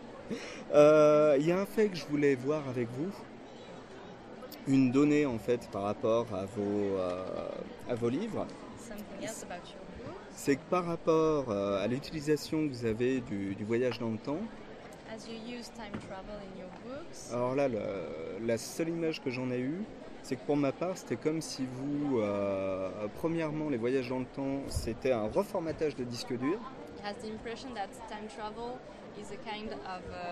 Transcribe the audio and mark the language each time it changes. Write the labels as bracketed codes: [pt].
[fr] Il y a un fait que je voulais voir avec vous, une donnée en fait par rapport à vos livres. [en] Something else about your book. [fr] C'est que par rapport à l'utilisation que vous avez du voyage dans le temps. [en] As you use time travel in your books. [fr] Alors là, la seule image que j'en ai eue, c'est que pour ma part, c'était comme si vous, premièrement, les voyages dans le temps, c'était un reformatage de disque dur. [en] It has the impression that time travel is a kind of